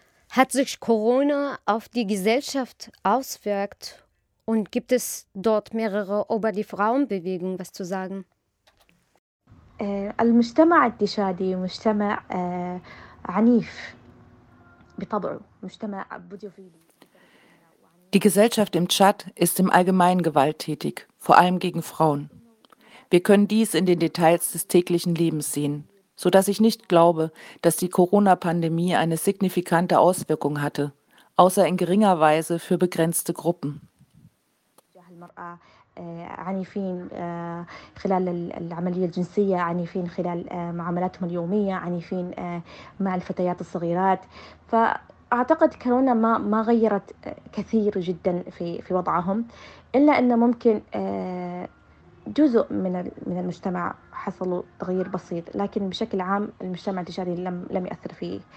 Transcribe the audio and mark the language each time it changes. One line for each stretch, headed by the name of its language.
German: Hat sich Corona auf die Gesellschaft auswirkt und gibt es dort mehrere über die Frauenbewegung was zu sagen?
Arabic: المجتمع التشادي مجتمع عنيف بطبعه مجتمع بوديوفيلي.
German: Die Gesellschaft im Tschad ist im Allgemeinen gewalttätig, vor allem gegen Frauen. Wir können dies in den Details des täglichen Lebens sehen, sodass ich nicht glaube, dass die Corona-Pandemie eine signifikante Auswirkung hatte, außer in geringer Weise für begrenzte Gruppen.
Arabic: أعتقد كورونا ما غيرت كثير جدا في وضعهم إلا أن ممكن جزء من المجتمع حصلوا تغيير بسيط لكن بشكل عام المجتمع التشادي لم يأثر فيه.